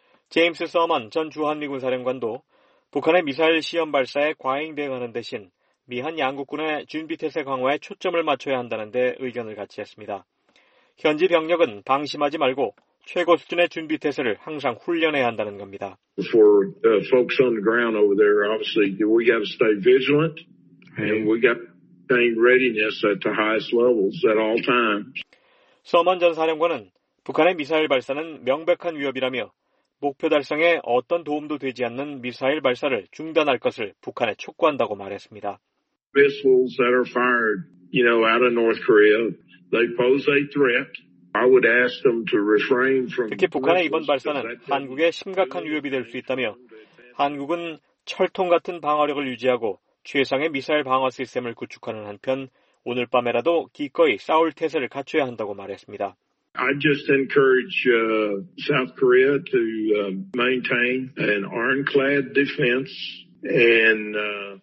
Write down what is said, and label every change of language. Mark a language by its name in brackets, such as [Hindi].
[Korean] 제임스 서먼 전 주한미군 사령관도 북한의 미사일 시험 발사에 과잉 대응하는 대신 미한 양국군의 준비태세 강화에 초점을 맞춰야 한다는 데 의견을 같이했습니다. 현지 병력은 방심하지 말고 최고 수준의 준비태세를 항상 훈련해야 한다는 겁니다. [English] For folks on the ground over there, obviously we got to stay vigilant and we got to maintain readiness at the highest levels at all times. 서먼 전 사령관은 북한의 미사일 발사는 명백한 위협이라며 목표 달성에 어떤 도움도 되지 않는 미사일 발사를 중단할 것을 북한에 촉구한다고 말했습니다. Missiles that are fired, you know, out of North Korea, they pose a threat. I would ask them to refrain from. [Korean] 특히 북한의 이번 발사는 한국에 심각한 위협이 될 수 있다며 한국은 철통 같은 방어력을 유지하고 최상의 미사일 방어 시스템을 구축하는 한편 오늘 밤에라도 기꺼이 싸울 태세를 갖춰야 한다고 말했습니다. [English] I just encourage South Korea to maintain an ironclad defense and